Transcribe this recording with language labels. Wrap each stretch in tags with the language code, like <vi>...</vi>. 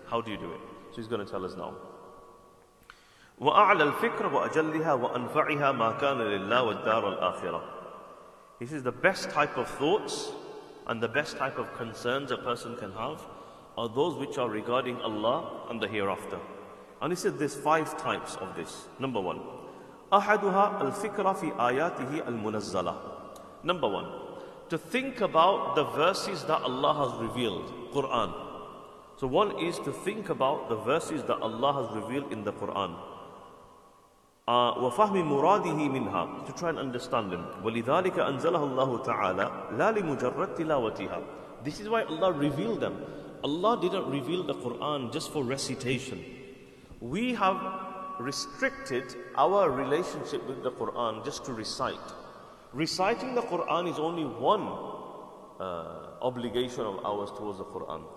<en>How do you do it? So he's going to tell us now.</en> <ar>وَأَعْلَى الْفِكْرَ وَأَجَلِّهَا وَأَنْفَعِهَا مَا كَانَ لِلَّهِ وَالدَّارُ الْآخِرَةِ.</ar> <en>He says the best type of thoughts and the best type of concerns a person can have are those which are regarding Allah and the hereafter. And he said there's five types of this. Number one.</en> <ar>أحدها الفكرة في آياته المنزلة.</ar> <en>Number one, to think about the verses that Allah has revealed, Quran. So one is to think about the verses that Allah has revealed in the Quran.</en> <ar>وفهم مراده منها,</ar> <en>to try and understand them.</en> <ar>ولذلك أنزله الله تعالى لا لمجرد تلاوتها.</ar> <en>This is why Allah revealed them. Allah didn't reveal the Quran just for recitation. We have restricted our relationship with the Quran just to recite. Reciting the Quran is only one obligation of ours towards the Quran.</en>